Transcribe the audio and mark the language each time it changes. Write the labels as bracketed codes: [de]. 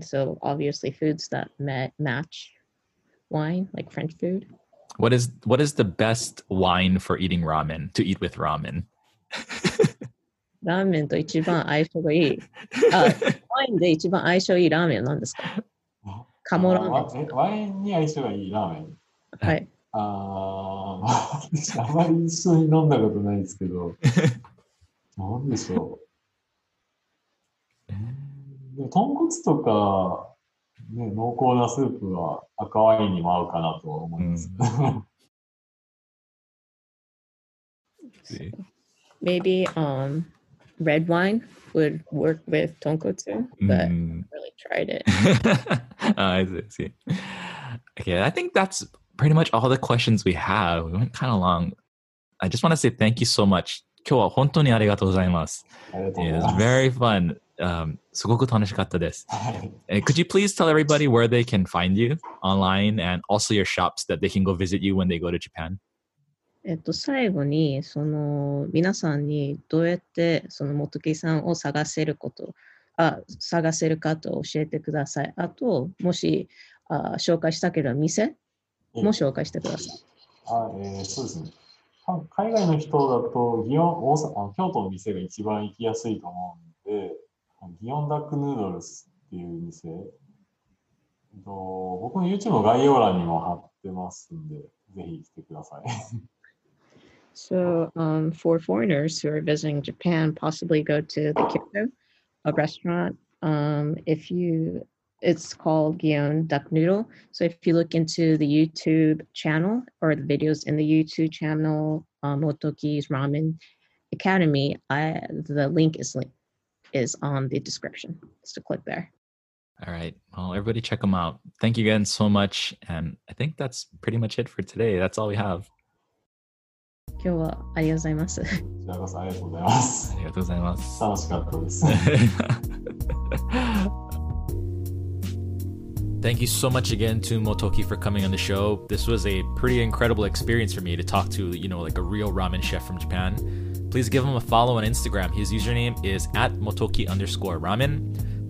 [en] So obviously foods that match wine, like French food. What is the best wine for eating ramen, to eat with ramen? [ja] Ramen と一番相性がいい。ワインで一番相性いいラーメンなんですか？カモラーメン。ワインに相性がいいラーメン。はい。あまり一緒に飲んだことないですけど、何でしょう。でも豚骨とか、ね、濃厚なスープは赤ワインにも合うかなと思います。うん、 [en] Maybe red wine would work with 豚骨, but I haven't really tried it. I see. Okay, I think that's... pretty much all the questions we have. We went kind of long. I just want to say thank you so much. [ja] 今日は本当にありがとうございます。 [en] It was very fun. [ja] すごく楽しかったです。 [en] Could you please tell everybody where they can find you online and also your shops that they can go visit you when they go to Japan? [ja] 最後にその皆さんにどうやってその元木さんを探せること、探せるかと教えてください。あと、もし紹介したければ店も紹介してください。そうですね。海外の人だと祇園大阪京都の店が一番行きやすいと思うんで、祇園ダックヌードルスっていう店。僕の YouTube の概要欄にも貼ってますんで、ぜひ来てください。 [en] So, for foreigners who are visiting Japan, possibly go to the Kyoto, a restaurant. If you... It's called Gion Duck Noodle. So if you look into the YouTube channel or the videos in the YouTube channel, Motoki's Ramen Academy, the link is on the description. Just to click there. All right. Well, everybody check them out. Thank you again so much. And I think that's pretty much it for today. That's all we have. [ja] 今日はありがとうございます。ありがとうございます。ありがとうございます。楽しかったです。 [en] Thank you so much again to Motoki for coming on the show. This was a pretty incredible experience for me to talk to, you know, like a real ramen chef from Japan. Please give him a follow on Instagram. His username is @Motoki_ramen.